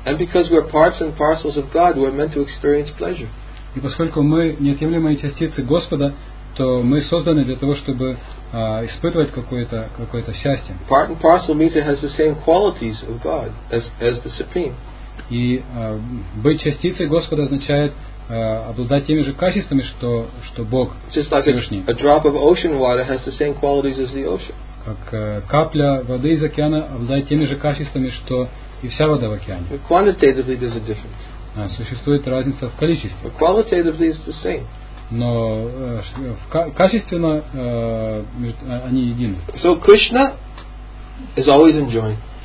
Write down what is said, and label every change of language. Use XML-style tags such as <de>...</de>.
<en>And because we're parts and parcels of God, we're meant to experience pleasure.</en> <ru>И поскольку мы неотъемлемые частицы Господа, то мы созданы для того, чтобы испытывать какое-то счастье.</ru> <en>Part and parcel meter has the same qualities of God as the Supreme.</en> <ru>И быть частицей Господа означает обладать теми же качествами, что Бог.</ru> <en>Just like a drop of ocean water has the same qualities as the ocean.</en> <ru>Как капля воды из океана обладает теми же качествами, что и вся вода в океане.</ru> <en>But quantitatively there's a difference.</en> <ru>Существует разница в количестве.</ru> <en>But qualitatively it's the same.</en> <ru>Но качественно они едины.</ru> <en>So Krishna is always enjoying.</en>